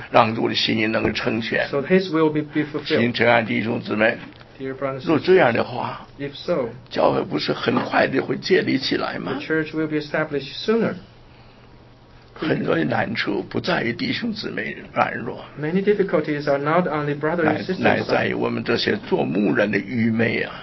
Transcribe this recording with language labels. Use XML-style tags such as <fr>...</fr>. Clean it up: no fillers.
<zh>让主的心意能够成全。</zh> <en>So his will be fulfilled.</en> <zh>请陈安弟兄姊妹，若这样的话，</zh> <en>if so,</en> <zh>教会不是很快的会建立起来吗？</zh> <en>The church will be established sooner.</en> <zh>很多的难处不在于弟兄姊妹软弱，</zh> <en>Many difficulties are not on the brother and sister side,</en> <zh>乃在于我们这些做牧人的愚昧啊。</zh>